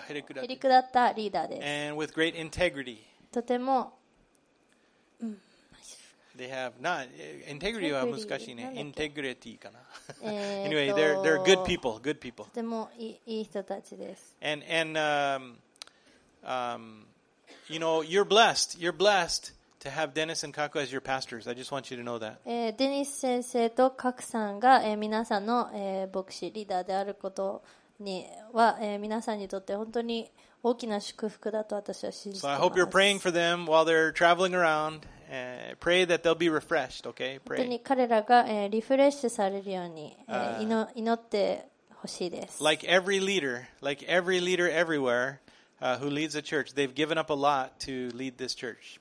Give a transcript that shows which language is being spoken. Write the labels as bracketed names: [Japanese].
[Japanese] へりくだったリーダーです。 [English] And with great integrity. [Japanese] とても、 [English] They have not integrity [Japanese] は難しいね。 [English] Integrity [Japanese] かな。 [English] anyway, they're good people, good people. [Japanese] とてもいい人たちです。 [English] And you know, you're blessed to have Dennis and Kaku as your pastors. I just want you to know that. [Japanese] デニス先生とカクさんが、皆さんの、牧師リーダーであることには、皆さんにとって本当に大きな祝福だと私は信じています。 [English] So I hope you're praying for them while they're traveling around. Pray that they'll be refreshed, okay? Pray. [Japanese] 本当に彼らが、リフレッシュされるように、祈ってほしいです。 [English] Like every leader everywhere, who leads a church, they've given up a lot to lead this church.